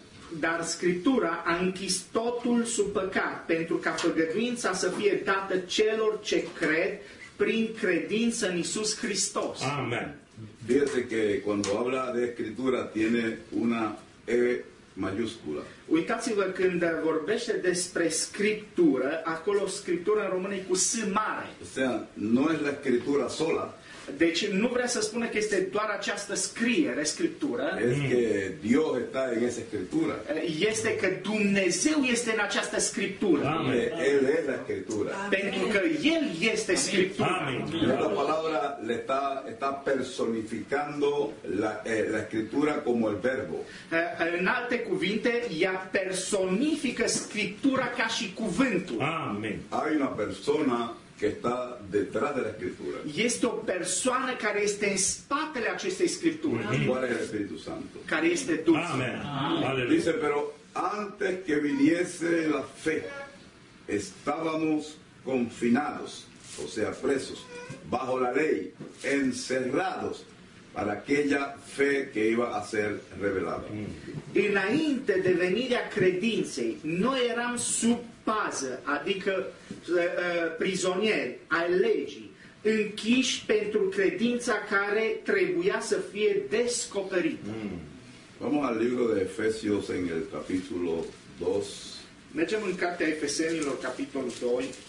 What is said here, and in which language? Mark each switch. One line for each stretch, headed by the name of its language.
Romanian: Dar Scriptura a închis totul sub păcat pentru ca făgăduința să fie dată celor ce cred prin credință în Iisus Hristos. Amen.
Spanish: Fíjate que cuando habla de Escritura tiene una E mayúscula.
Romanian: Uitați-vă, când vorbește despre Scriptură, acolo Scriptură în română e cu S mare.
Spanish: O sea, no es la Escritura sola.
Romanian: Deci nu vrea să spună că este doar această scriere, Scriptură.
Spanish: Es que Dios está en esa Escritura.
Romanian: Este că Dumnezeu este în această Scriptură.
Spanish: Amen. El es la Escritura.
Romanian: Pentru că El este Scriptura. Amen.
Spanish: La palabra le está personificando la Escritura como el Verbo.
Romanian: În alte cuvinte, ea personifică Scriptura ca și cuvântul. Amen.
Spanish: Hay una persona que está detrás de la Escritura. Y esta persona
Romanian: care este în spatele acestei Scripturi. Care este Spiritul Santo. Care este Duhul. Amen. Amen.
Spanish: Dice, pero antes que viniese la fe, estábamos confinados, o sea, presos, bajo la ley, encerrados, para aquella fe que iba a ser revelada.
Romanian: Înainte de venirea credinței, noi eram sub pază, adică prizonieri ai legii, închiși pentru credința care trebuia să fie descoperită.
Spanish: Vamos al libro de Efesios en el capítulo 2.
Romanian: Mergem în cartea Efesenilor, capitolul 2.